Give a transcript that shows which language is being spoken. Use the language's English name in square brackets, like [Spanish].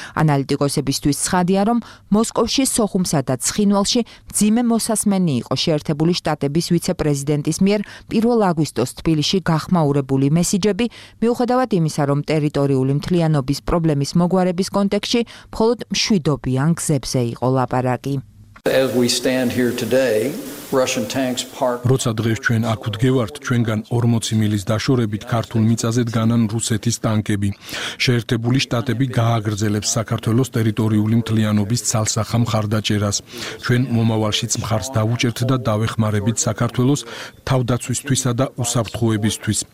[Georgian] ანალიტიკოსებისთვის ცხადია, რომ მოსკოვში, სოხუმსა და ცხინვალში მძიმე მოსასმენი იყო შეერთებული შტატების ვიცე-პრეზიდენტის მიერ 1 აგვისტოს თბილისში გახმაურებული მესიჯები, მიუხედავად იმისა, რომ ტერიტორიული მთლიანობის პრობლემის მოგვარების კონტექსტში მხოლოდ მშვიდობიან გზებზე იყო ლაპარაკი. [English] As we stand here today, Russian tanks parked. [Georgian] როცა დღეს ჩვენ აქ ვდგევართ, ჩვენგან 40 მილის დაშორებით ქართულ მიწაზე დგანან რუსეთის ტანკები. შეერთებული შტატები გააგრძელებს საქართველოს ტერიტორიული მთლიანობის ცალსახა მხარდაჭერას. ჩვენ მომავალშიც მხარს დავუჭერთ და დავეხმარებით საქართველოს თავდაცვისთვისა და უსაფრთხოებისთვის.